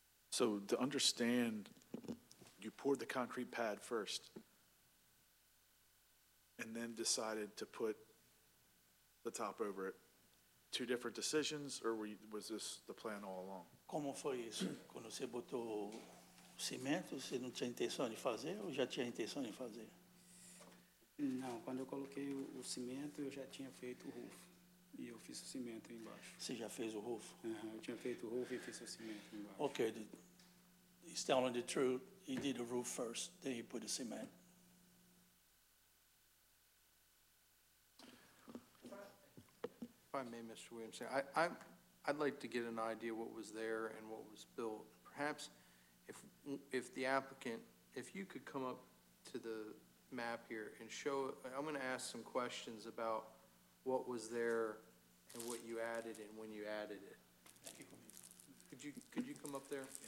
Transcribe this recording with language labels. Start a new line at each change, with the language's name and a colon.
English: So to understand, you poured the concrete pad first and then decided to put the top over it. Two different decisions, or was this the plan all along?
Portuguese: Como foi isso? Quando você botou cimento, você não tinha intenção de fazer ou já tinha intenção de fazer? Não, quando eu coloquei o cimento, eu já tinha feito o roof. E eu fiz o cimento embaixo. Você já fez o roof? Uh-huh, eu tinha feito o roof e fiz o cimento embaixo.
English: Ok. He's telling the truth. He did the roof first, then he put the cement. If I may, Mr. Williamson, I'd like to get an idea what was there and what was built. Perhaps if the applicant, if you could come up to the map here and show, I'm going to ask some questions about what was there and what you added and when you added it. Could you come up there?